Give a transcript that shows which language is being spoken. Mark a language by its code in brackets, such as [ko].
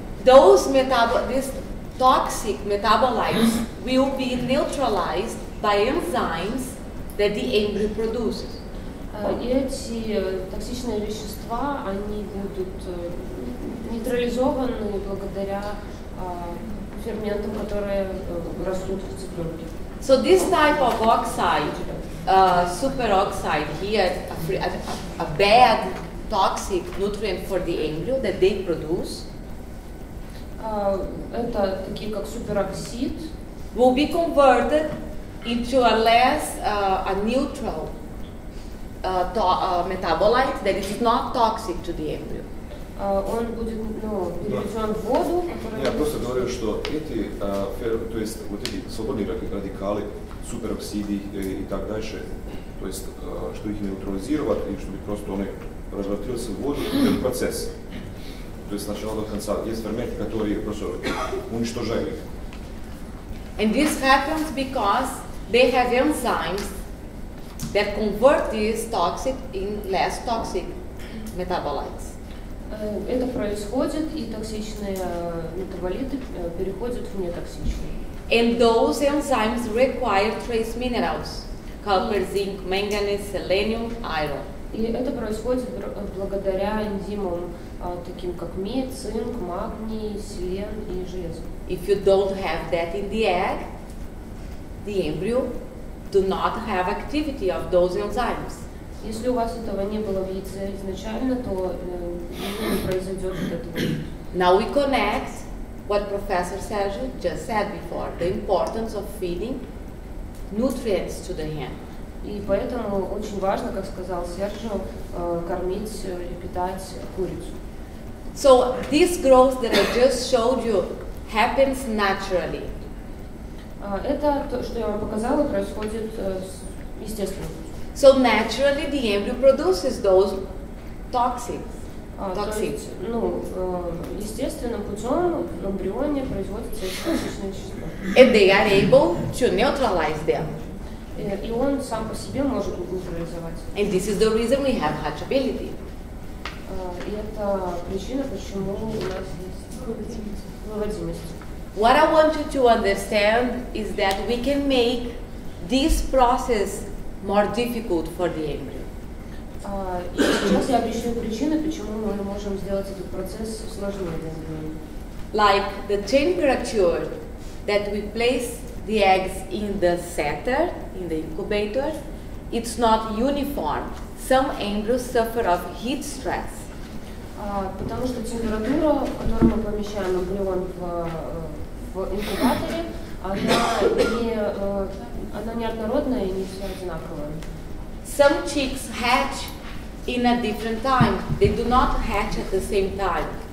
[en] those toxic metabolites will be neutralized by enzymes that the embryo produces. [ru] Эти токсичные вещества, они будут нейтрализованы благодаря ферментам, которые растут в цыпленке. [en] So this type of oxide, superoxide here, a bad toxic nutrient for the embryo that they produce, [ru] это такие как супероксид, [en] will be converted into a less a neutral metabolite that is not toxic to the embryo. [ru] Он будет, переведен в воду. Я просто говорю, что эти, то есть вот эти свободные радикалы, супероксиды и так дальше, то есть чтобы их нейтрализировать и чтобы просто они развертывается воду в процесс. То есть сначала до конца. Есть ферменты, которые просто уничтожают их. [en] And this happens because they have enzymes that convert these toxic in less toxic metabolites. [ru] Это происходит, и токсичные метаболиты переходят в нетоксичные. [en] And those enzymes require trace minerals, copper, zinc, manganese, selenium, iron. [ru] И это происходит благодаря энзимам, таким как медь, цинк, магний, селен и железо. [en] If you don't have that in the egg, the embryo do not have activity of those enzymes. [ru] Если у вас этого не было в яйце изначально, то не произойдет вот этого. [en] Now we connect what Professor Sergio just said before, the importance of feeding nutrients to the hen. [ru] И поэтому очень важно, как сказал Сержио, кормить и питать курицу. [en] So this growth that I just showed you happens naturally. [ru] Это то, что я вам показала, происходит естественно. [en] So naturally the embryo produces those toxins. [ru] Естественным путем в эмбрионе производятся токсичные вещества. [en] And they are able to neutralize them. [ru] И он сам по себе может нейтрализовать. [en] And this is the reason we have hatchability. [ru] И это причина, почему у нас есть выводимость. [en] What I want you to understand is that we can make this process more difficult for the embryo. [ru] И сейчас я объясню причину, почему мы можем сделать этот процесс сложнее для эмбриона. [en] Like the temperature that we place the eggs in the setter, in the incubator, it's not uniform. Some embryos suffer of heat stress. [ru] Потому что температура, в которую мы помещаем эмбрион в инкубаторе, она неоднородная и не все одинаковая. [en] Some chicks hatch in a different time. They do not hatch at the same time.